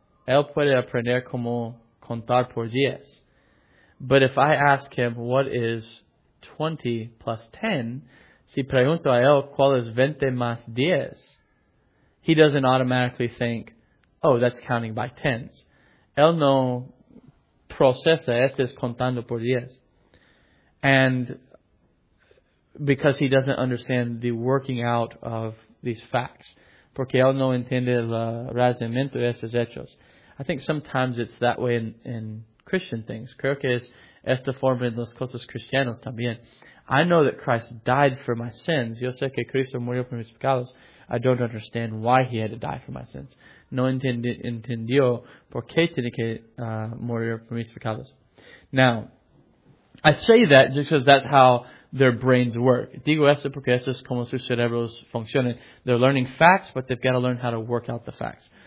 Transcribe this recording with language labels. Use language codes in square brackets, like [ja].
[es] Él puede aprender cómo contar por diez. [en] But if I ask him, what is 20 plus 10? [es] Si pregunto a él, ¿cuál es 20 más 10? [en] He doesn't automatically think, oh, that's counting by tens. [es] Él no procesa, este es contando por diez. [en] And because he doesn't understand the working out of these facts. [es] Porque él no entiende el razonamiento de estos hechos. [en] I think sometimes it's that way in Christian things. [es] Creo que es esta forma en las cosas cristianas también. [en] I know that Christ died for my sins. [es] Yo sé que Cristo murió por mis pecados. [en] I don't understand why he had to die for my sins. [es] No entendió por qué tiene que morir por mis pecados. [en] Now, I say that just because that's how their brains work. [es] Digo esto porque esto es como sus cerebros funcionan. [en] They're learning facts, but they've got to learn how to work out the facts.